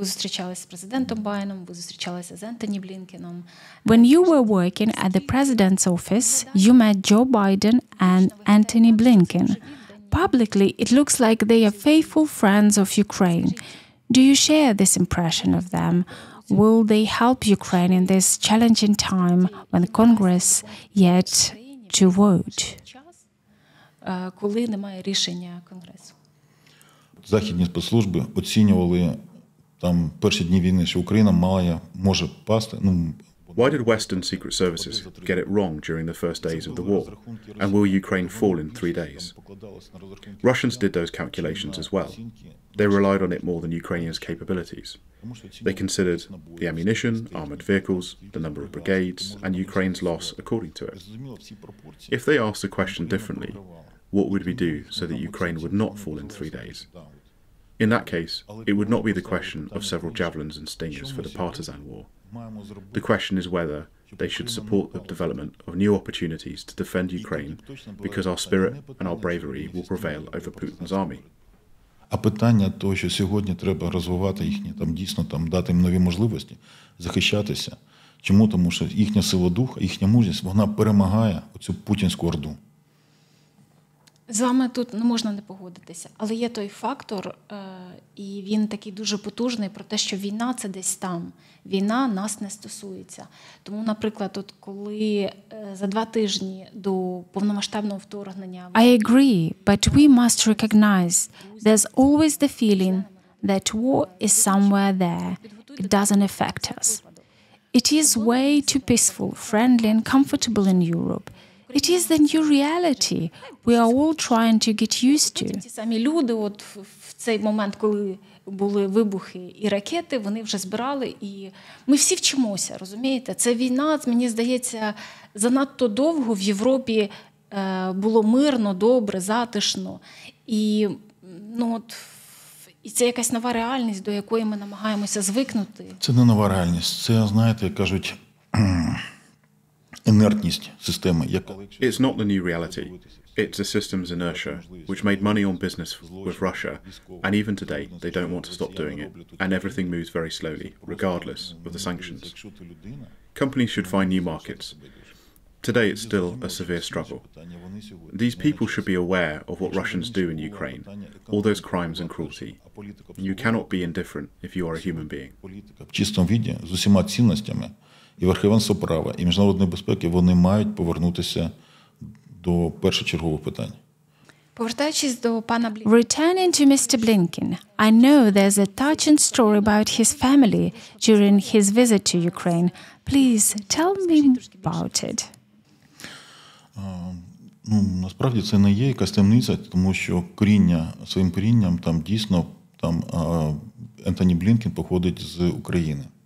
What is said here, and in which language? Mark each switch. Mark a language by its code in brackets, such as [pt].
[uk] Ви зустрічалися з президентом Байденом, ви зустрічалися з Ентоні Блінкеном. [en] When you were working at the President's office, you met Joe Biden and Anthony Blinken. Publicly, it looks like they are faithful friends of Ukraine. Do you share this impression of them? Will they help Ukraine in this challenging time when Congress yet to vote? [uk] Коли немає рішення Конгресу? Західні спецслужби оцінювали там перші дні війни, що Україна має, може пасти, ну... [en] Why did Western secret services get it wrong during the first days of the war? And will Ukraine fall in 3 days? Russians did those calculations as well. They relied on it more than Ukrainians' capabilities. They considered the ammunition, armored vehicles, the number of brigades, and Ukraine's loss according to it. If they asked the question differently, what would we do so that Ukraine would not fall in 3 days? In that case, it would not be the question of several javelins and stingers for the partisan war. The question is whether they should support the development of new opportunities to defend Ukraine because our spirit and our bravery will prevail over Putin's army. [uk] А питання того, що сьогодні треба розвивати їхні, там дійсно там дати їм нові можливості захищатися. Чому? Тому що їхня сила духа, їхня мужність, вона перемагає оцю путінську орду. З вами тут не можна не погодитися, але є той фактор, і він такий дуже потужний про те, що війна це десь там. Війна нас не стосується. Тому, наприклад, от коли за два тижні до повномасштабного вторгнення. [en] I agree, but we must recognize there's always the feeling that war is somewhere there. It doesn't affect us. It is way too peaceful, friendly and comfortable in Europe. It is the new reality we are all trying to get used to. [uk] Ті самі люди, от в цей момент, коли були вибухи і ракети, вони вже збирали, і ми всі вчимося, розумієте? Це війна, мені здається, занадто довго в Європі було мирно, добре, затишно. І, ну от, і це якась нова реальність, до якої ми намагаємося звикнути. Це не нова реальність, це, знаєте, як кажуть... Інертність системи. [en] It's not the new reality. It's the system's inertia, which made money on business with Russia, and even today they don't want to stop doing it, and everything moves very slowly, regardless of the sanctions. Companies should find new markets. Today it's still a severe struggle. These people should be aware of what Russians do in Ukraine, all those crimes and cruelty. You cannot be indifferent if you are a human being. [uk] В чистому виде, з усіма цінностями, і верховенство права, і міжнародної безпеки, вони мають повернутися до першочергових питань. Повертаючись до пана [en] Блінкена. Returning to Mr. Blinken, I know there's a touching story about his family during his visit to Ukraine. Please, tell me about it. [uk] Ну, насправді це не є якась таємниця, тому що коріння, своїм корінням, там дійсно, там Ентоні Блінкен походить з України.